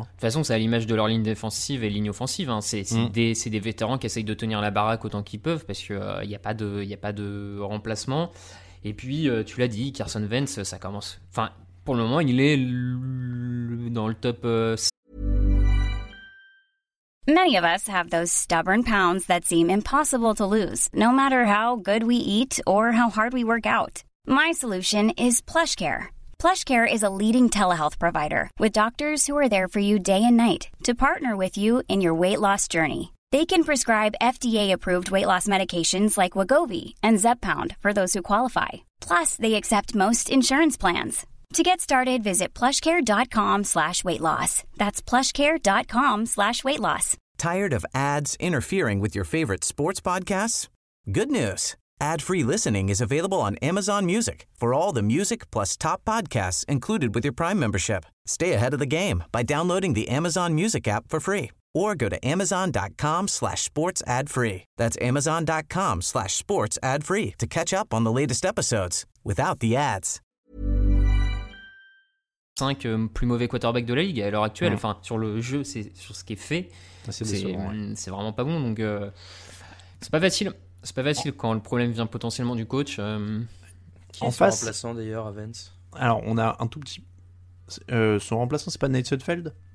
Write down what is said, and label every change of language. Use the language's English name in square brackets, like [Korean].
[French] De toute façon, c'est à l'image de leur ligne défensive et ligne offensive. Hein. C'est des vétérans qui essayent de tenir la baraque autant qu'ils peuvent parce qu'il n'y a pas de remplacement. Et puis, tu l'as dit, Carson Wentz, ça commence. Enfin, pour le moment, il est dans le top 5. [English] Many of us have those stubborn pounds that seem impossible to lose, no matter how good we eat or how hard we work out. My solution is PlushCare. PlushCare is a leading telehealth provider with doctors who are there for you day and night to partner with you in your weight loss journey. They can prescribe FDA-approved weight loss medications like Wegovy and Zepbound for those who qualify. Plus, they accept most insurance plans. To get started, visit plushcare.com/weightloss. That's plushcare.com/weightloss. Tired of ads interfering with your favorite sports podcasts? Good news. Ad-free listening is available on Amazon Music for all the music plus top podcasts included with your Prime membership. Stay ahead of the game by downloading the Amazon Music app for free or go to amazon.com/sportsadfree. That's amazon.com/sportsadfree to catch up on the latest episodes without the ads. [French] 5 plus mauvais quarterback de la ligue à l'heure actuelle, ouais. Enfin sur le jeu, c'est sur ce qui est fait, c'est vraiment pas bon, donc c'est pas facile quand le problème vient potentiellement du coach qui en est face... son remplaçant d'ailleurs à Vance. Alors on a un tout petit son remplaçant, c'est pas Nate Sudfeld,